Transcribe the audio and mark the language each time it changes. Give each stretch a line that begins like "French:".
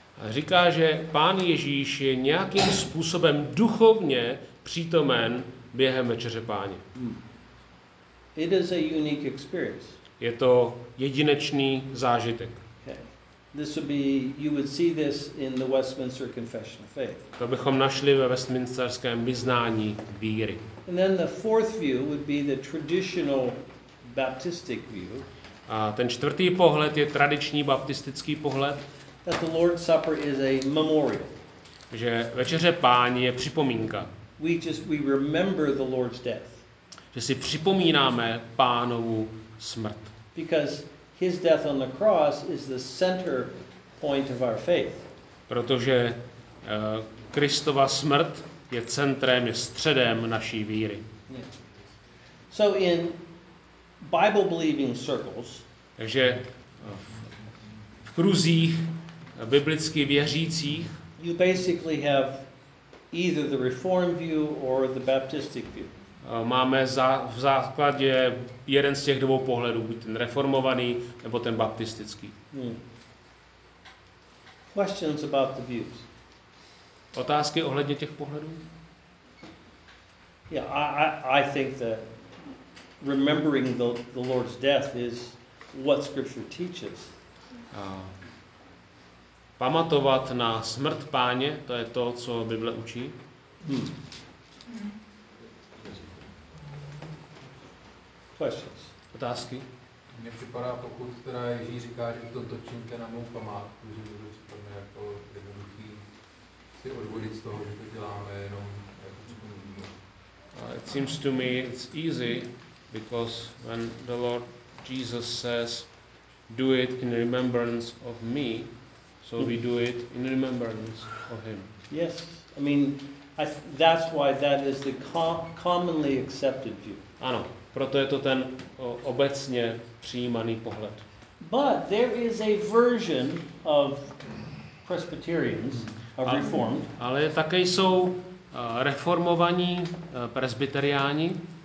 Czech: Říká, že Pán Ježíš je nějakým způsobem duchovně přítomen během večeře Páně.
English: It is a unique experience.
Czech: Je to jedinečný zážitek.
English: This would be, you would see this in the Westminster Confession of Faith.
Czech: To bychom našli ve Westminsterském vyznání víry.
English: And then the fourth view would be the traditional Baptistic view.
Czech: A ten čtvrtý pohled je tradiční baptistický pohled.
English: That the Lord's Supper is a memorial.
Czech: Že večeře Páně je připomínka.
English: We remember the Lord's death.
Czech: Že si připomínáme Pánovu smrt.
English: Because His death on the cross is the center point of our faith.
Czech: Protože Kristova smrt je centrem, je středem naší víry.
English: Yeah. So in Bible believing circles,
Czech: takže v kruzích biblicky věřících,
English: you basically have either the Reformed view or the Baptistic view.
Czech: Máme v základě jeden z těch dvou pohledů, buď ten reformovaný nebo ten baptistický.
English: Questions about the views.
Czech: Otázky ohledně těch pohledů?
English: Yeah, I think that remembering the Lord's death is what scripture teaches.
Czech: Pamatovat na smrt Páně, to je to, co Bible učí.
English: Questions.
Czech: Otázky. Mně připadá, pokud teda Ježíš říká, že to točíte na mou památku, že to připadne jako jednoduchý si odvodit z toho, že to děláme jenom jako připomínku.
English: It seems to me it's easy, because when the Lord Jesus says, do it in remembrance of me, so we do it in remembrance of him. Yes, I mean, that's why that is the commonly accepted view.
Czech: Ano. Proto je to ten obecně přijímaný pohled.
English: But there is a version of Presbyterians, of Reformed.
Czech: Ale také jsou reformovaní presbyteriáni.